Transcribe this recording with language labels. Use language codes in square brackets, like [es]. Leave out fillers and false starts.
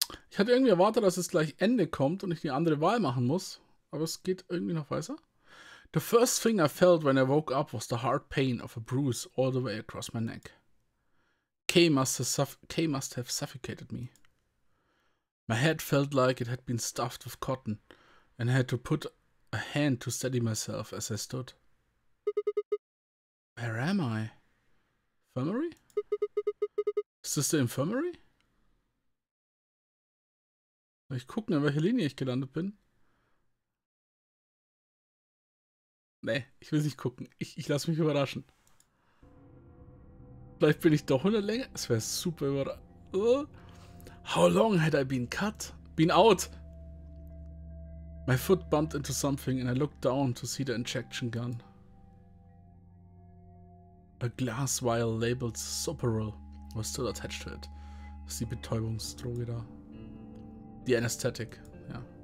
[de] Ich hatte irgendwie erwartet, dass es gleich Ende kommt und ich die andere Wahl machen muss, aber es geht irgendwie noch weiter. [en] The first thing I felt when I woke up was the hard pain of a bruise all the way across my neck. K must have suffocated me. My head felt like it had been stuffed with cotton, and I had to put a hand to steady myself as I stood. Where am I? Infirmary? Is this the infirmary? [de] Soll ich gucken, in welche Linie ich gelandet bin? Nee, ich will nicht gucken. Ich lasse mich überraschen. Vielleicht bin ich doch in der Länge. Es wäre super überraschend. [en] How long had I been cut? Been out? My foot bumped into something and I looked down to see the injection gun. A glass vial labeled Soperil was still attached to it. [de] Das ist die Betäubungsdroge da. [en] The anesthetic, yeah.